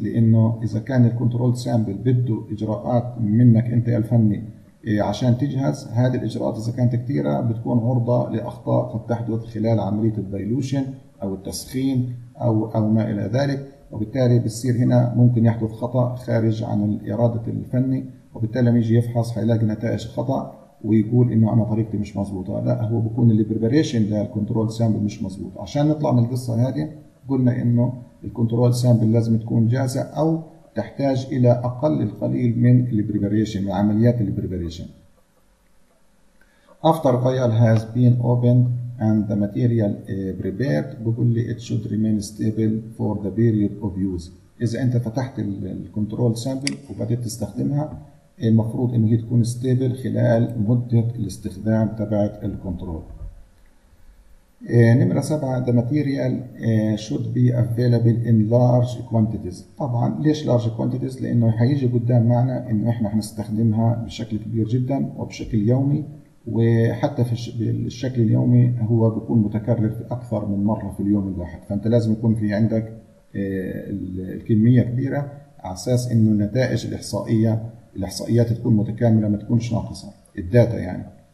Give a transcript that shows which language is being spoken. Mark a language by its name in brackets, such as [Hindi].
[Arabic] لانه اذا كان الكنترول سامبل بده اجراءات منك انت الفني عشان تجهز، هذه الاجراءات اذا كانت كثيره بتكون عرضه لاخطاء قد تحدث خلال عمليه الديلوشن او التسخين او ما الى ذلك، وبالتالي بيصير هنا ممكن يحدث خطأ خارج عن الإرادة الفني، وبالتالي لما يجي يفحص هيلاقي نتائج خطأ ويقول إنه أنا طريقتي مش مظبوطة. لا، هو بيكون اللي بريبريشن ده الكنترول سامبل مش مظبوط. عشان نطلع من القصة هذه قلنا إنه الكنترول سامبل لازم تكون جاهزة أو تحتاج إلى أقل القليل من اللي بريبريشن من عمليات اللي بريبريشن. [English] After vial has been opened and the material prepared, [Arabic] بقول لي [English] it should remain stable for the period of use. [Arabic] إذا أنت فتحت الكنترول سامبل وبدأت تستخدمها، المفروض إن هي تكون stable خلال مدة الاستخدام تبعت الكنترول. نمرة 7 [English] the material should be available in large quantities. [Arabic] طبعا ليش [English] large quantities؟ [Arabic] لأنه هيجي قدام معنا إنه إحنا هنستخدمها بشكل كبير جدا وبشكل يومي، وحتى في الشكل اليومي هو بيكون متكرر أكثر من مرة في اليوم الواحد، فأنت لازم يكون في عندك الكمية كبيرة على أساس إنه النتائج الإحصائيات تكون متكاملة ما تكونش ناقصة الداتا يعني.